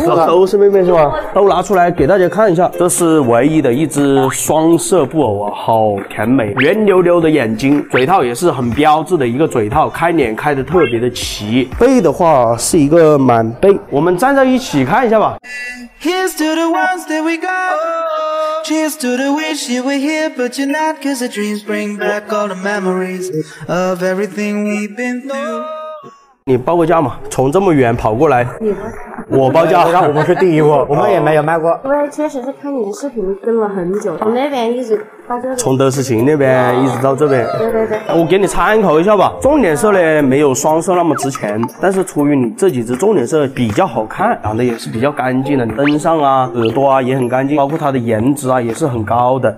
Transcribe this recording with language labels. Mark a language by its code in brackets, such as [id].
[zh] 都是妹妹是吧？都拿出来给大家看一下，这是唯一的一只双色布偶啊，好甜美，圆溜溜的眼睛，嘴套也是很标志的一个嘴套，开脸开得特别的齐，背的话是一个满背，我们站在一起看一下吧。 [en] Here's to the ones that we got、oh. Cheers to the wish you were here, but you're not, cause the dreams bring back all the memories of everything we've been through。 [zh] 你报个价嘛，从这么远跑过来，我报价，那我们是第一波，我们也没有卖过。我确实是看你的视频跟了很久，从那边一直到这边，从德士琴那边一直到这边。对对对，我给你参考一下吧。重点色呢，没有双色那么值钱，但是出于你这几只重点色比较好看，长得也是比较干净的，灯上啊、耳朵啊也很干净，包括它的颜值啊也是很高的。